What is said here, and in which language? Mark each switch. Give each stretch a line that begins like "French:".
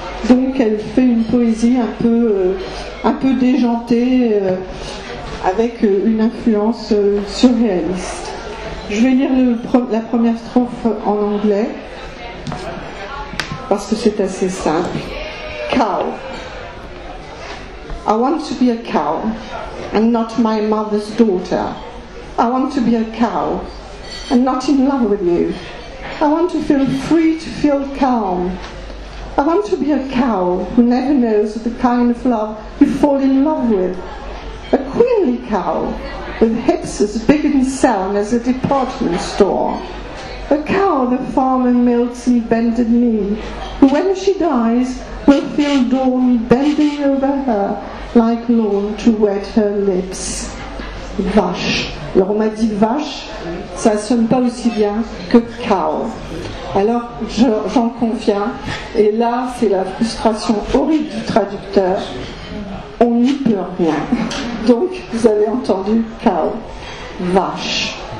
French: Donc elle fait une poésie un peu déjantée avec une influence surréaliste. Je vais lire la première strophe en anglais parce que c'est assez simple.
English: Cow. I want to be a cow and not my mother's daughter. I want to be a cow and not in love with you. I want to feel free, to feel calm. I want to be a cow who never knows the kind of love you fall in love with. A queenly cow with hips as big and sound as a department store. A cow the farmer milks in bended knee, who when she dies will feel dawn bending over her like lawn to wet her lips.
French: Vache. Alors on m'a dit vache, ça ne sonne pas aussi bien que cow. Alors j'en conviens, et là c'est la frustration horrible du traducteur, on n'y peut rien. Donc vous avez entendu cow, vache.